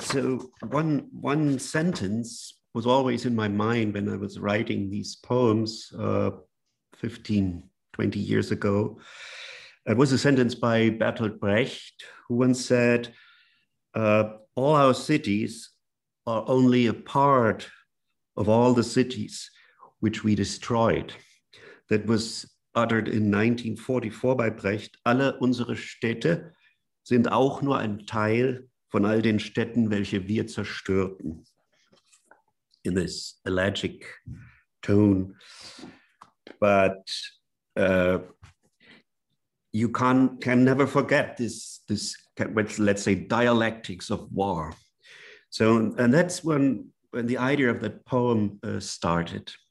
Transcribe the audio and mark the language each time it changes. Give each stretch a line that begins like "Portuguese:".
English: So one sentence was always in my mind when I was writing these poems 15, 20 years ago. It was a sentence by Bertolt Brecht, who once said, all our cities are only a part of all the cities which we destroyed. That was uttered in 1944 by Brecht.
German: Alle unsere Städte sind auch nur ein Teil von all den Städten, welche wir zerstörten.
English: In this elegic tone. But you can never forget this, let's say, dialectics of war. So, and that's when the idea of that poem started.